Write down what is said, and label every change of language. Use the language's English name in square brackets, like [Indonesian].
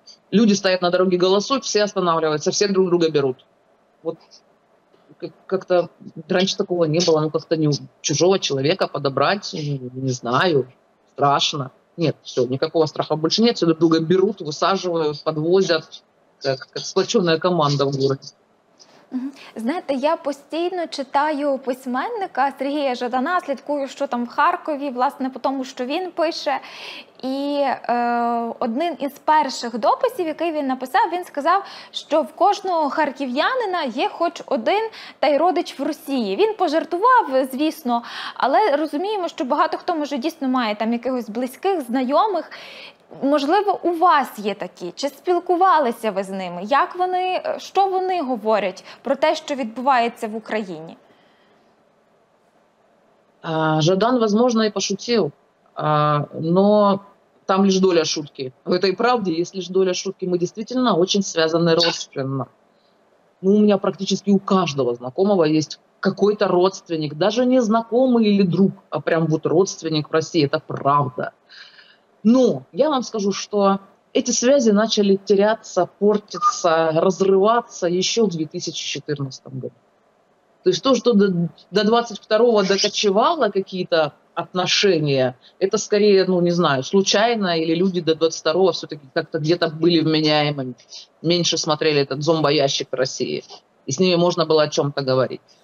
[Russian] Люди стоят на дороге, голосуют, все останавливаются, все друг друга берут. Вот. Как-то раньше такого не было, ну как-то не чужого человека подобрать, не знаю, страшно. Нет, все, никакого страха больше нет, все друг друга берут, высаживают, подвозят, как сплоченная команда в городе. [Ukrainian] Знаєте, я постійно читаю письменника Сергія Жадана, слідкую, що там в Харкові, власне, по тому, що він пише. І один із перших дописів, який він написав, він сказав, що в кожного харків'янина є хоч один та й родич в Росії. Він пожартував, звісно, але розуміємо, що багато хто, може, дійсно має там якихось близьких, знайомих. Можливо, у вас є такі? Чи спілкувалися ви з ними? Як вони, що вони говорять про те, що відбувається в Україні? [Russian] Жадан, возможно, і пошутив, но там лише доля шутки. В этой правде [Ukrainian] є лише [Russian] доля шутки. [Ukrainian] Ми дійсно дуже зв'язані родственно. Ну, у мене практично у кожного знайомого є якийсь родственник, навіть не знайомий або друг, а прям вот родственник в Росії. Це правда. [Russian] Но я вам скажу, что эти связи начали теряться, портиться, разрываться еще в 2014 году. То есть то, что до 22-го докочевало какие-то отношения, это скорее, ну не знаю, случайно, или люди до 22-го все-таки как-то где-то были вменяемыми, меньше смотрели этот зомбоящик в России, и с ними можно было о чем-то говорить.